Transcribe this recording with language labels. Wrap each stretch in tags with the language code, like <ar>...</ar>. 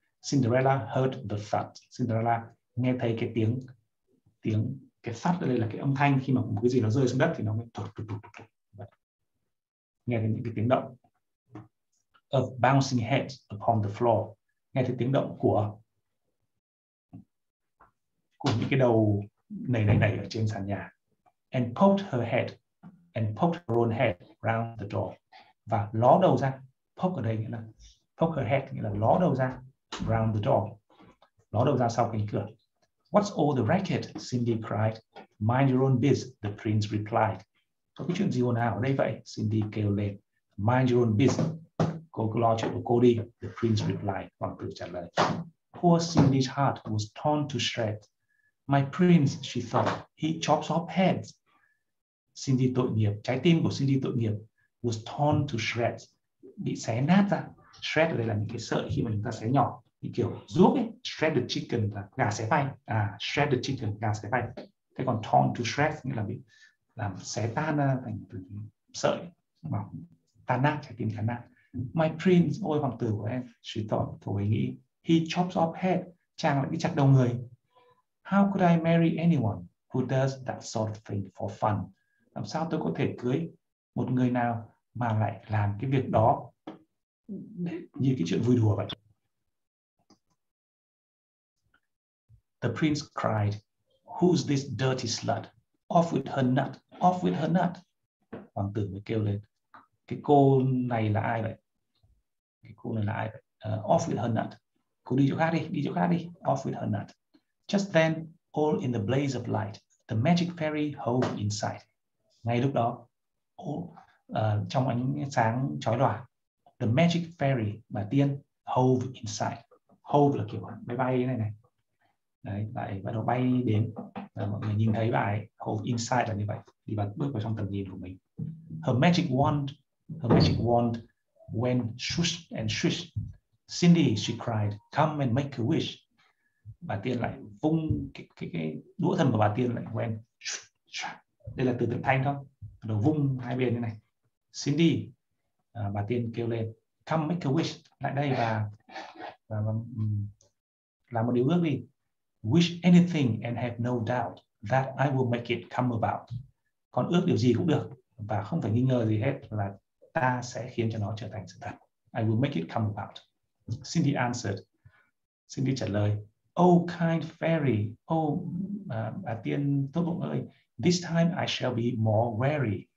<en>Cinderella heard the thuds.</en> <vi>Cinderella nghe thấy cái tiếng, cái thud ở đây là cái âm thanh khi mà một cái gì nó rơi xuống đất thì nó mới tụt tụt tụt tụt. Nghe thấy những cái tiếng động.</vi> <en>Of bouncing heads upon the floor.</en> <vi>Nghe thấy tiếng động của những cái đầu nảy nảy nảy ở trên sàn nhà.</vi> <en>And poked her head and poked her own head round the door.</en> <vi>Và ló đầu ra, poke ở đây nghĩa là poke her head, nghĩa là ló đầu ra round the door. Ló đầu ra sau cánh cửa.</vi> <en>What's all the racket? Cindy cried. Mind your own biz, the prince replied.</en> <vi>Có cái chuyện gì hồn ào ở đây vậy? Cindy kêu lên.</vi> <en>Mind your own biz.</en> <vi>Cô cứ lo chuyện của cô đi.</vi> <en>The prince replied.</en> <vi>Hoàng tử trả lời.</vi> <en>Poor Cindy's heart was torn to shreds. My prince, she thought, he chops off heads.</en> <vi>Cindy tội nghiệp. Trái tim của Cindy tội nghiệp.</vi> <en>Was torn to shreds.</en> <vi>Bị xé nát ra. Shred ở đây là những cái sợi khi mà chúng ta xé nhỏ. Như kiểu ruốc ấy. Shredded chicken là gà xé bay. À, shredded chicken, gà xé bay. Thế còn torn to shreds nghĩa là bị làm xé tan ra thành sợi. Bảo tan nát, trái tim tan nát.</vi> <en>My prince,</en> <vi>ôi hoàng tử của em.</vi> <en>She thought,</en> <vi>cô ấy nghĩ.</vi> <en>He chops off head.</en> <vi>Chàng lại bị chặt đầu người.</vi> <en>How could I marry anyone who does that sort of thing for fun?</en> <vi>Làm sao tôi có thể cưới một người nào mà lại làm cái việc đó như cái chuyện vui đùa vậy?</vi> <en>The prince cried, "Who's this dirty slut? Off with her nut! Off with her nut!"</en> <vi>Hoàng tử mới kêu lên, cái cô này là ai vậy? Cái cô này là ai vậy?</vi> <en>Off with her nut!</en> <vi>Cô đi chỗ khác đi, đi chỗ khác đi.</vi> <en>Off with her nut! Just then, all in the blaze of light, the magic fairy hove in sight.</en> <vi>Ngay lúc đó, trong ánh sáng chói lòa,</vi> <en>the magic fairy,</en> <vi>bà tiên, hove in sight. Hove là kiểu máy bay này này. Đấy, bà đầu bay đến. Mọi người nhìn thấy bà ấy, hove in sight là như vậy. Thì bà bước vào trong tầm nhìn của mình.</vi> <en>Her magic wand went swoosh and swish. Cindy, she cried, come and make a wish.</en> <vi>Bà tiên lại vung cái đũa thần của bà tiên lại quen. Đây là từ tượng thanh thôi. Nó vung hai bên như này. Cindy, bà tiên kêu lên.</vi> <en>Come make a wish.</en> <vi>Lại đây và làm một điều ước đi.</vi> <en>Wish anything and have no doubt that I will make it come about.</en> <vi>Còn ước điều gì cũng được. Và không phải nghi ngờ gì hết là ta sẽ khiến cho nó trở thành sự thật.</vi> <en>I will make it come about. Cindy answered.</en> <vi>Cindy trả lời.</vi> <en>Oh, kind fairy.</en> <vi>Oh, bà tiên tốt bụng ơi.</vi> <en>This time I shall be more wary.</en>